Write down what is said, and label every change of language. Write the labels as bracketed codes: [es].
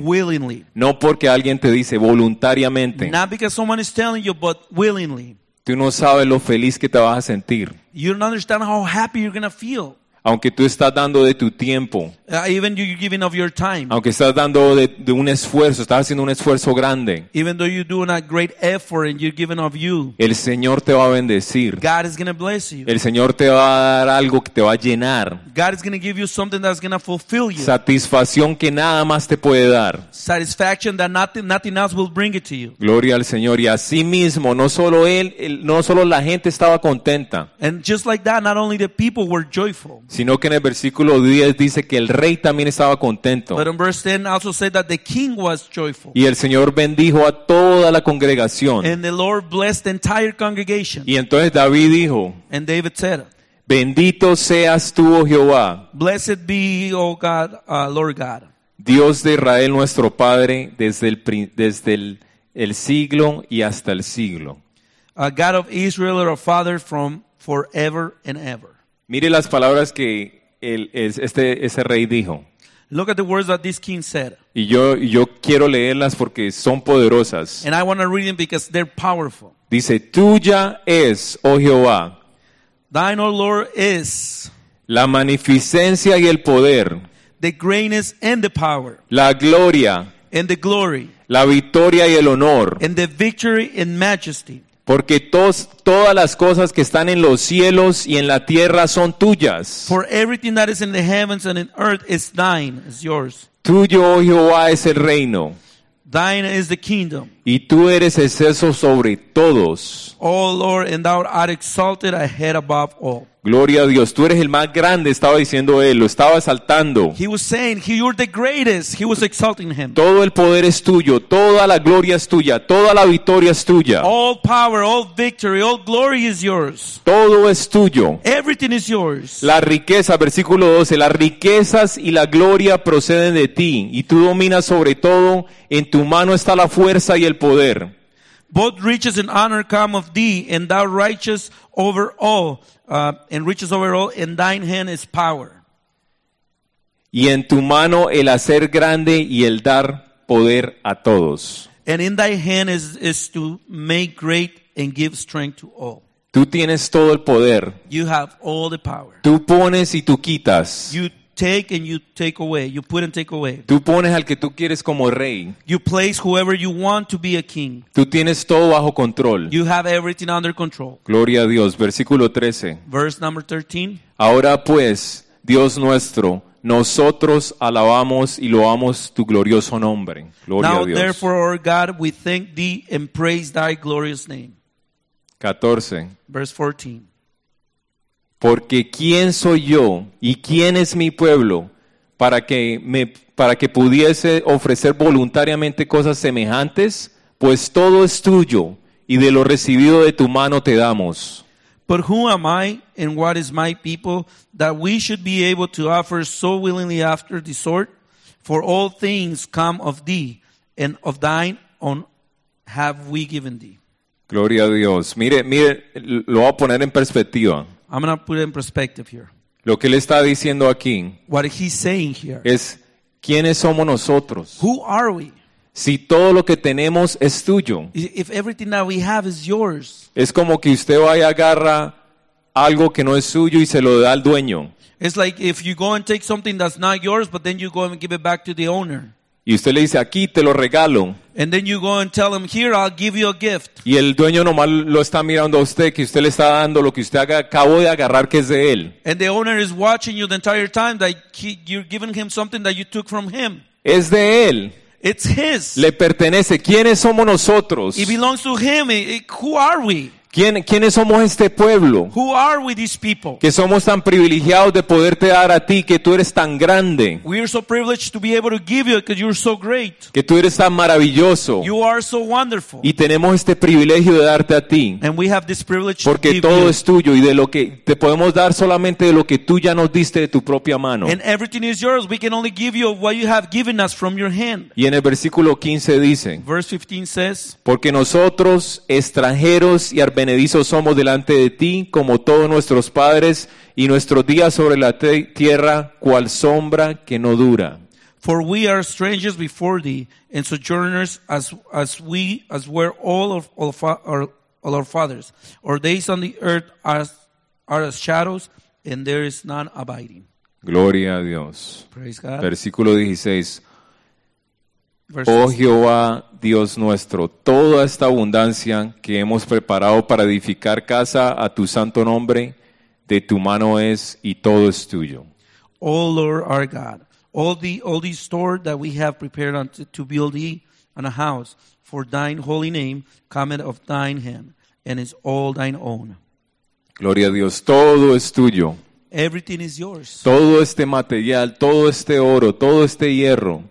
[en] willingly, [es] no porque alguien te dice, voluntariamente, [en] not because someone is telling you, but willingly, [es] tú no sabes lo feliz que te vas a sentir. [en] You don't understand how happy you're gonna feel. [es] Aunque tú estás dando de tu tiempo, [en] even you're giving of your time, [es] aunque estás dando de un esfuerzo, estás haciendo un esfuerzo grande, [en] even though you're doing a great effort and you're giving of you, [es] el Señor te va a bendecir. [en] God is going to bless you. [es] El Señor te va a dar algo que te va a llenar. [en] God is going to give you something that's going to fulfill you. [es] Satisfacción que nada más te puede dar. [en] Satisfaction that nothing else will bring it to you. [es] Gloria al Señor. Y así mismo, no solo él, no solo la gente estaba contenta. [en] And just like that, not only the people were joyful, [es] sino que en el versículo 10 dice que el rey también estaba contento. [en] But in verse 10 also said that the king was joyful. [es] Y el Señor bendijo a toda la congregación. [en] And the Lord blessed the entire congregation. [es] Y entonces David dijo, [en] and David said, [es] bendito seas tú, oh Jehová. [en] Blessed be, oh God, Lord God. [es] Dios de Israel, nuestro Padre, desde el siglo y hasta el siglo. [en] God of Israel, our Father, from forever and ever. [es] Mire las palabras que ese rey dijo. [en] Look at the words that this king said. [es] Y yo quiero leerlas porque son poderosas. [en] And I want to read them because they're powerful. [es] Dice, tuya es, oh Jehová. [en] Thine, O Lord, is. [es] La magnificencia y el poder. [en] The greatness and the power. [es] La gloria. [en] And the glory. [es] La victoria y el honor. [en] And the victory and majesty. [es] Porque todas las cosas que están en los cielos y en la tierra son tuyas. [en] For everything that is in the heavens and in earth is thine, is yours. [es] Tuyo, oh Jehová, es el reino. [en] Thine is the kingdom. [es] Y tú eres excelso sobre todos. [en] Oh Lord, and thou art exalted ahead above all. [es] Gloria a Dios, tú eres el más grande, estaba diciendo él, lo estaba exaltando. [en] He was saying, you're the greatest, he was exalting him. [es] Todo el poder es tuyo, toda la gloria es tuya, toda la victoria es tuya. [en] All power, all victory, all glory is yours. [es] Todo es tuyo. [en] Everything is yours. [es] La riqueza, versículo 12, las riquezas y la gloria proceden de ti, y tú dominas sobre todo, en tu mano está la fuerza y el poder. [en] Both riches and honor come of thee, and thou righteous over all, and riches over all, and thine hand is power. [es] Y en tu mano el hacer grande y el dar poder a todos. [en] And in thy hand is to make great and give strength to all. [es] Tú tienes todo el poder. [en] You have all the power. [es] Tú pones y tú quitas. [en] You take and you take away. You put and take away. [es] Tú pones al que tú quieres como rey. [en] You place whoever you want to be a king. [es] Tú tienes todo bajo control. [en] You have everything under control. [es] Gloria a Dios. Versículo 13. [en] Verse number 13. [es] Ahora pues, Dios nuestro, Nosotros alabamos y loamos tu glorioso nombre. Gloria [en] now, [es] a Dios. [en] Now therefore, O God, we thank thee and praise thy glorious name. [es] 14. [en] Verse 14. [es] Porque quién soy yo y quién es mi pueblo para que pudiese ofrecer voluntariamente cosas semejantes, pues todo es tuyo y de lo recibido de tu mano te damos. [en] But who am I and what is my people that we should be able to offer so willingly after the sword? For all things come of thee and of thine own have we given thee. [es] Gloria a Dios. Mire, lo voy a poner en perspectiva. [en] I'm going to put it in perspective here. [es] Lo que él está diciendo aquí. [en] What he's saying here. [es] Es, ¿quiénes somos nosotros? [en] Who are we? [es] Si todo lo que tenemos es tuyo. [en] If everything that we have is yours. [es] Es como que usted va y agarra algo que no es suyo y se lo da al dueño. [en] It's like if you go and take something that's not yours, but then you go and give it back to the owner. [es] Y usted le dice, aquí te lo regalo. [en] And then you go and tell him, here I'll give you a gift. [es] Y el dueño nomás lo está mirando a usted, que usted le está dando lo que usted acabó de agarrar que es de él. [en] And the owner is watching you the entire time that you're giving him something that you took from him. [es] Es de él. [en] It's his. [es] Le pertenece. ¿Quiénes somos nosotros? [en] It belongs to him. Who are we? [es] ¿Quiénes somos este pueblo? [en] Who are we, these people? [es] Que somos tan privilegiados de poderte dar a ti, que tú eres tan grande. [en] We are so privileged to be able to give you because you're so great. [es] Que tú eres tan maravilloso. [en] You are so wonderful. [es] Y tenemos este privilegio de darte a ti. [en] And we have this privilege [es] porque [en] to give [es] todo [en] you. [es] Es tuyo y de lo que te podemos dar solamente de lo que tú ya nos diste de tu propia mano. [en] And everything is yours. We can only give you what you have given us from your hand. [es] Y en el versículo 15 dice. [en] Verse 15 says. [es] Porque nosotros extranjeros y benedizos somos delante de ti, como todos nuestros padres, y nuestros días sobre la tierra, cual sombra que no dura. [en] For we are strangers before thee, and sojourners as were all our fathers. Our days on the earth are as shadows, and there is none abiding. [es] Gloria a Dios. [en] Praise God. [es] Versículo 16. Oh Jehová, Dios nuestro, toda esta abundancia que hemos preparado para edificar casa a tu santo nombre, de tu mano es y todo es tuyo. [en] Oh Lord our God, all the store that we have prepared to build thee on a house for thine holy name, cometh of thine hand, and is all thine own. [es] Gloria a Dios, todo es tuyo. [en] Everything is yours. [es] Todo este material, todo este oro, todo este hierro.